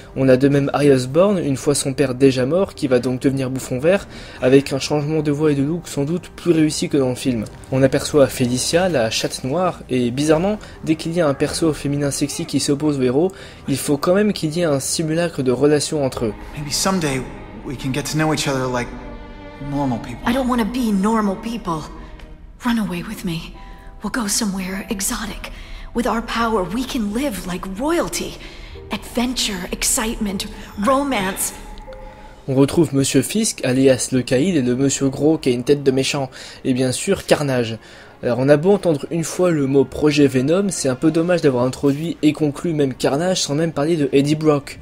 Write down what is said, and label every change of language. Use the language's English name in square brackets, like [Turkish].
[French] On a de même Harry Osborn, une fois son père déjà mort, qui va donc devenir Bouffon Vert, avec un changement de voix et de look sans doute plus réussi que dans le film. On aperçoit Felicia, la chatte noire, et bizarrement, dès qu'il y a un perso féminin sexy qui s'oppose au héros, il faut quand même qu'il y ait un simulacre de relation entre eux. [English] Maybe someday we can get to know each other like normal people. I don't want to be normal people. Run away with me. We'll go somewhere exotic. With our power, we can live like royalty. Adventure, excitement, romance. [French] On retrouve Monsieur Fisk, alias le Caïd, et le Monsieur Gros qui a une tête de méchant. Et bien sûr, Carnage. Alors on a beau entendre une fois le mot projet Venom, c'est un peu dommage d'avoir introduit et conclu même Carnage sans même parler de Eddie Brock.